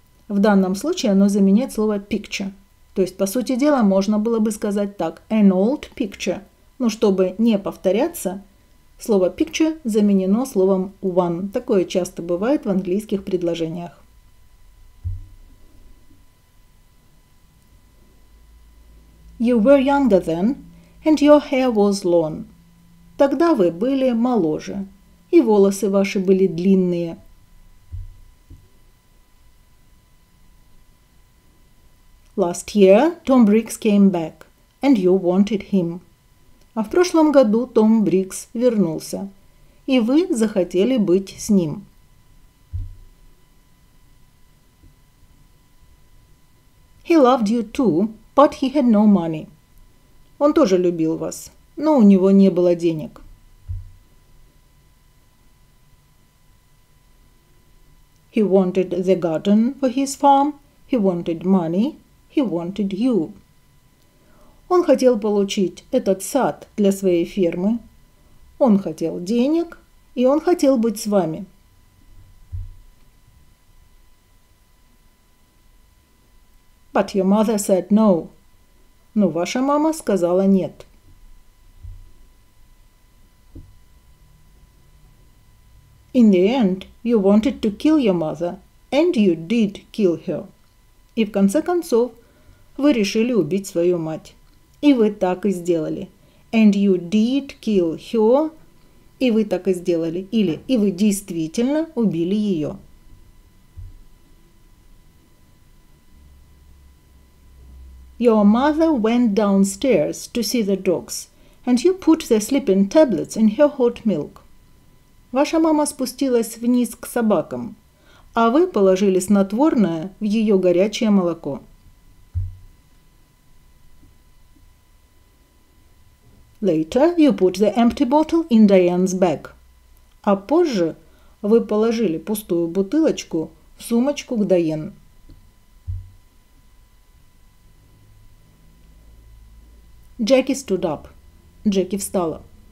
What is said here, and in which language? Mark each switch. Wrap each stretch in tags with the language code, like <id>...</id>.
<ru>В данном случае оно заменяет слово picture. То есть, по сути дела, можно было бы сказать так –</ru> <en>an old picture.</en> <ru>Но чтобы не повторяться, слово picture заменено словом one. Такое часто бывает в английских предложениях.</ru> <en>You were younger then, and your hair was long.</en> <ru>Тогда вы были моложе, и волосы ваши были длинные.</ru> <en>Last year Tom Briggs came back, and you wanted him.</en> <ru>А в прошлом году Том Брикс вернулся, и вы захотели быть с ним.</ru> <en>He loved you too, but he had no money.</en> <ru>Он тоже любил вас, но у него не было денег.</ru> <en>He wanted the garden for his farm, he wanted money. He wanted you.</en> <ru>Он хотел получить этот сад для своей фермы. Он хотел денег, и он хотел быть с вами.</ru> <en>But your mother said no.</en> <ru>Но ваша мама сказала нет.</ru> <en>In the end, you wanted to kill your mother, and you did kill her.</en> <ru>И в конце концов, вы решили убить свою мать. И вы так и сделали.</ru> <en>And you did kill her.</en> <ru>И вы так и сделали. Или и вы действительно убили ее.</ru> <en>Your mother went downstairs to see the dogs. And you put the sleeping tablets in her hot milk.</en> <ru>Ваша мама спустилась вниз к собакам. А вы положили снотворное в ее горячее молоко.</ru> <en>Later you put the empty bottle in Diane's bag.</en> <ru>А позже вы положили пустую бутылочку в сумочку к Дайен.</ru> <en>Jackie stood up.</en> <ru>Джеки встала.</ru>